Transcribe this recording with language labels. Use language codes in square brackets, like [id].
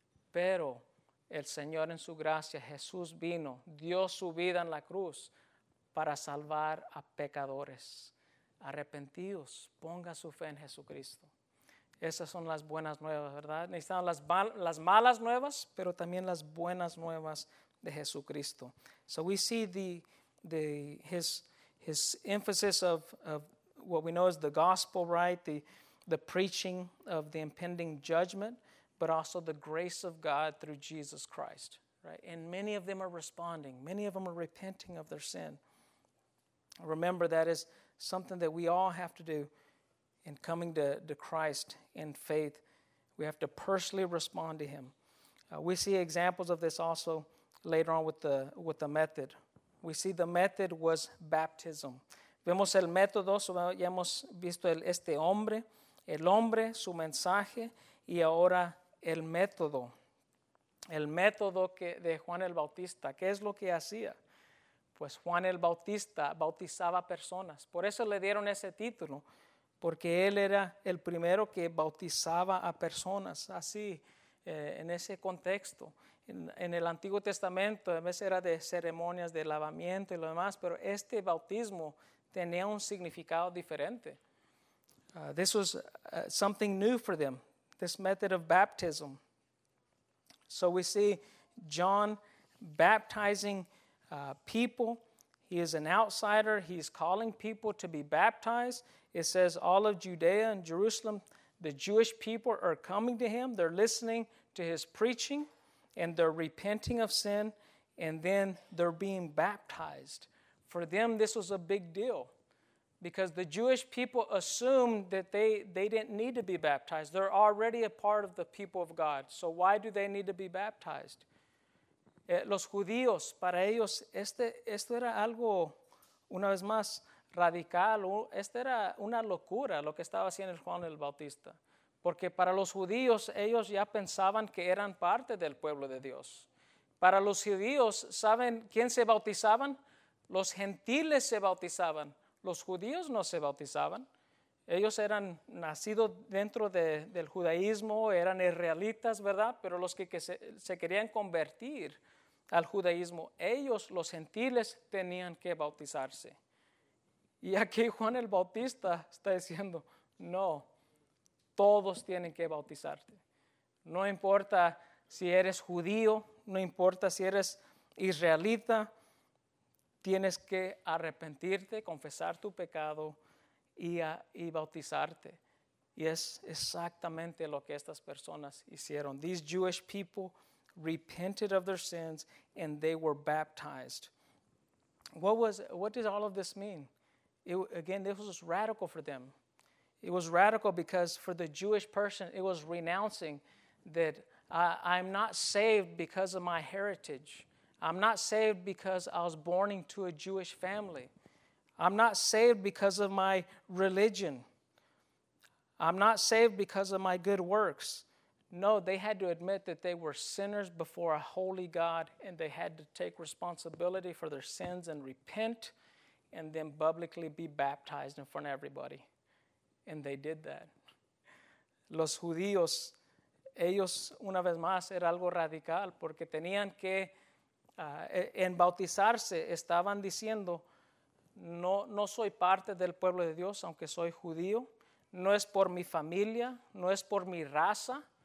[es] Pero el Señor en su gracia, Jesús vino, dio su vida en la cruz para salvar a pecadores. Arrepentidos, ponga su fe en Jesucristo. Esas son las buenas nuevas, ¿verdad? Necesitamos las malas nuevas, pero también las buenas nuevas de Jesucristo. [en] So we see his emphasis of what we know as the gospel, right? The preaching of the impending judgment, but also the grace of God through Jesus Christ, right? And many of them are responding. Many of them are repenting of their sin. Remember, that is something that we all have to do in coming to Christ in faith. We have to personally respond to him. We see examples of this also later on with the method. We see the method was baptism. [es] Vemos el método, ya hemos visto este hombre, el hombre, su mensaje, y ahora el método. El método de Juan el Bautista. ¿Qué es lo que hacía? Pues Juan el Bautista bautizaba personas. Por eso le dieron ese título, porque él era el primero que bautizaba a personas. Así, en ese contexto, en el Antiguo Testamento, a veces era de ceremonias de lavamiento y lo demás, pero este bautismo tenía un significado diferente. [en] This was something new for them, this method of baptism. So we see John baptizing people. He is an outsider. He's calling people to be baptized. It says all of Judea and Jerusalem, the Jewish people are coming to him. They're listening to his preaching, and they're repenting of sin, and then they're being baptized. For them, this was a big deal, because the Jewish people assumed that they didn't need to be baptized. They're already a part of the people of God. So why do they need to be baptized? [es] Los judíos, para ellos, esto era algo, una vez más, radical. Esto era una locura lo que estaba haciendo Juan el Bautista. Porque para los judíos, ellos ya pensaban que eran parte del pueblo de Dios. Para los judíos, ¿saben quién se bautizaban? Los gentiles se bautizaban. Los judíos no se bautizaban. Ellos eran nacidos dentro del judaísmo, eran israelitas, ¿verdad? Pero los que se querían convertir al judaísmo, ellos, los gentiles, tenían que bautizarse. Y aquí Juan el Bautista está diciendo, no, todos tienen que bautizarse. No importa si eres judío, no importa si eres israelita, tienes que arrepentirte, confesar tu pecado y bautizarte. Y es exactamente lo que estas personas hicieron. [en] These Jewish people repented of their sins and they were baptized. What does all of this mean? This was radical for them. It was radical because for the Jewish person, it was renouncing that I'm not saved because of my heritage. I'm not saved because I was born into a Jewish family. I'm not saved because of my religion. I'm not saved because of my good works. No, they had to admit that they were sinners before a holy God, and they had to take responsibility for their sins and repent and then publicly be baptized in front of everybody. And they did that. [es] Los judíos, ellos, una vez más, era algo radical porque tenían que en bautizarse estaban diciendo, no soy parte del pueblo de Dios, aunque soy judío, no es por mi familia, no es por mi raza.